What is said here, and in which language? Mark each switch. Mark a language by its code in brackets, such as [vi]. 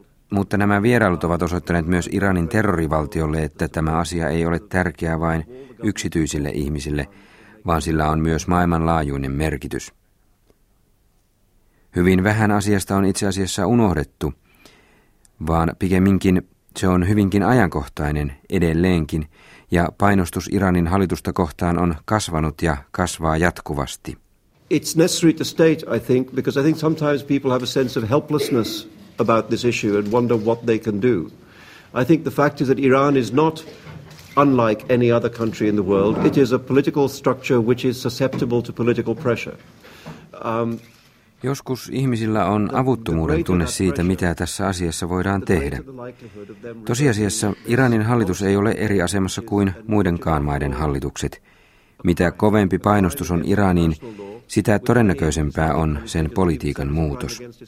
[fi] Mutta nämä vierailut ovat osoittaneet myös Iranin terrorivaltiolle, että tämä asia ei ole tärkeä vain yksityisille ihmisille, vaan sillä on myös maailmanlaajuinen merkitys. Hyvin vähän asiasta on itse asiassa unohdettu, vaan pikemminkin se on hyvinkin ajankohtainen edelleenkin, ja painostus Iranin hallitusta kohtaan on kasvanut ja kasvaa jatkuvasti. [en] It's necessary to state, I think, because I think sometimes people have a sense of helplessness about this issue and wonder what they can do. I think the fact is that Iran is not unlike any other country in the world. It is a political structure which is susceptible to political pressure. [fi] Joskus ihmisillä on avuttomuuden tunne siitä, mitä tässä asiassa voidaan tehdä. Tosiasiassa Iranin hallitus ei ole eri asemassa kuin muidenkaan maiden hallitukset. Mitä kovempi painostus on Iraniin, sitä todennäköisempää on sen politiikan muutos.